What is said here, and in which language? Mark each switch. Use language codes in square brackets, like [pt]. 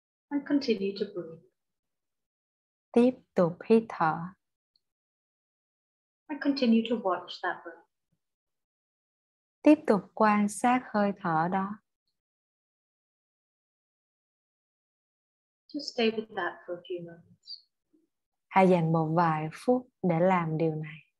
[en] And continue to breathe. [vi] Tiếp tục hít thở. [en] And continue to watch that breath. [vi] Tiếp tục quan sát hơi thở đó. [en] Just stay with that for a few moments. [vi] Hãy dành một vài phút để làm điều này.